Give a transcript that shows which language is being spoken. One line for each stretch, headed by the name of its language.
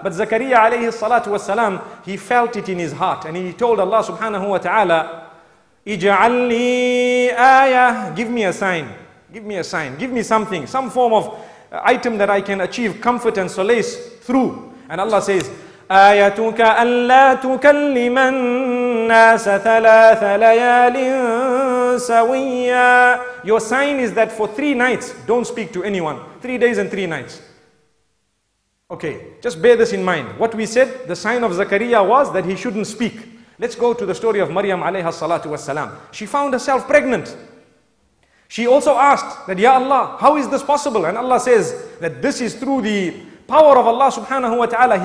English: But Zakariya alayhi salatu wa salam, he felt it in his heart. And he told Allah subhanahu wa ta'ala,
Arabic: اجعلني آية.
English: Give me a sign. Give me a sign. Give me something. Some form of item that I can achieve comfort and solace through. And Allah says,
Arabic: آيتك ألا تكلم الناس ثلاث ليال سويا.
English: Your sign is that for 3 nights, don't speak to anyone. 3 days and 3 nights. Okay, just bear this in mind. What we said, the sign of Zakariya was that he shouldn't speak. Let's go to the story of Maryam alayha salatu wassalam. She found herself pregnant. She also asked that, Ya Allah, how is this possible? And Allah says that this is through the power of Allah subhanahu wa ta'ala.